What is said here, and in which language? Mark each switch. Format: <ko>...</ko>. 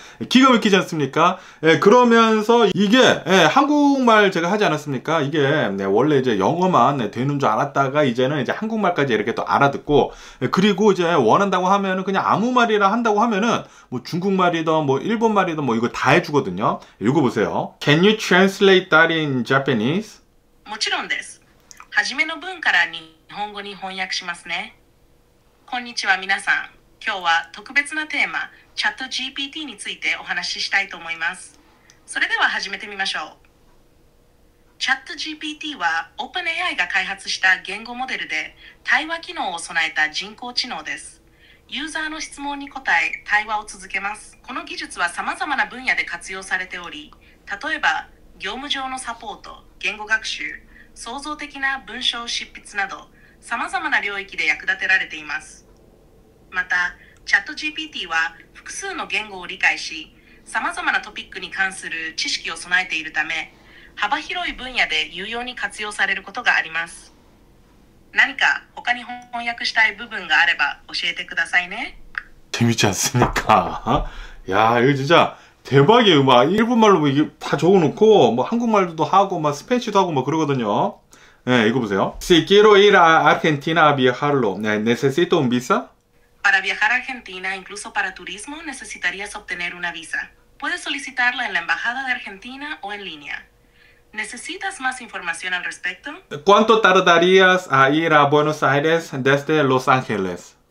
<ko>기가 막히지 않습니까? 예, 그러면서 이게, 예, 한국말 제가 하지 않았습니까? 이게, 네, 원래 이제 영어만 네, 되는 줄 알았다가 이제는 이제 한국말까지 이렇게 또 알아듣고, 예, 그리고 이제 원한다고 하면은 그냥 아무 말이라 한다고 하면은 뭐 중국말이든 뭐 일본말이든 뭐 이거 다 해주거든요. 이거 보세요.</ko> <en>Can you translate that in Japanese?</en> <ja>もちろんです。初めの文から日本語に翻訳しますね。こんにちは、皆さん。今日は特別なテーマ、チャット GPT についてお話ししたいと思います。それでは始めてみましょう。チャット GPT は OpenAI が開発した言語モデルで、対話機能を備えた人工知能です。ユーザーの質問に答え、対話を続けます。この技術は様々な分野で活用されており、例えば業務上のサポート、言語学習、創造的な文章執筆など様々な領域で役立てられています。また、チャット GPT は複数の言語を理解し、様々なトピックに関する知識を備えているため、幅広い分野で有用に活用されることがあります。何か他に翻訳したい部分があれば教えてくださいね。</ja> <ko>재밌지 않습니까? 야, 이거 진짜 대박이에요. 막 일본말로 뭐 이게 다 적어놓고 뭐 한국말도 하고 막 스페인어도 하고 막 그러거든요. 네, 이거 보세요.</ko> <es>Si quiero ir a Argentina a viajarlo, necesito un visa? Para viajar a Argentina, incluso para turismo, necesitarías obtener una visa. Puedes solicitarla en la Embajada de Argentina o en línea. ¿Necesitas más información al respecto? ¿Cuánto tardarías a ir a Buenos Aires desde Los Ángeles?</es>